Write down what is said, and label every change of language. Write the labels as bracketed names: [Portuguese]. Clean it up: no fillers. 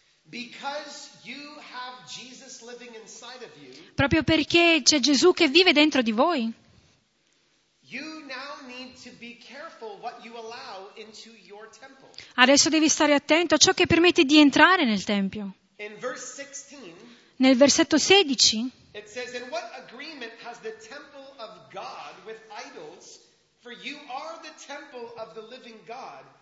[English] Because you have Jesus living inside of you, [Italian] proprio perché c'è Gesù che vive dentro di voi, [English] you now need to be careful what you allow into your temple. [Italian] Adesso devi stare attento a ciò che permetti di entrare nel tempio. [English] In verse 16, [Italian] nel versetto 16, [English] it says, "In what agreement has the temple of God with idols? For you are the temple of the living God.